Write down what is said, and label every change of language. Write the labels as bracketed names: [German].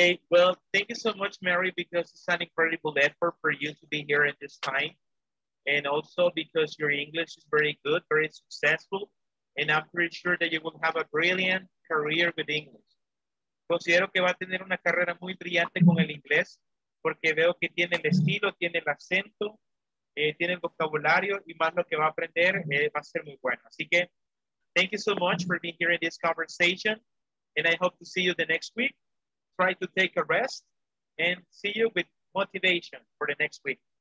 [English] Well, thank you so much, Mary, because it's an incredible effort for you to be here at this time. And also because your English is very good, very successful. And I'm pretty sure that you will have a brilliant career with English. [Spanish] Considero que va a tener una carrera muy brillante con el inglés, porque veo que tiene el estilo, tiene el acento, tiene el vocabulario, y más lo que va a aprender va a ser muy bueno. Así que, [English] thank you so much for being here in this conversation. And I hope to see you the next week. Try to take a rest and see you with motivation for the next week.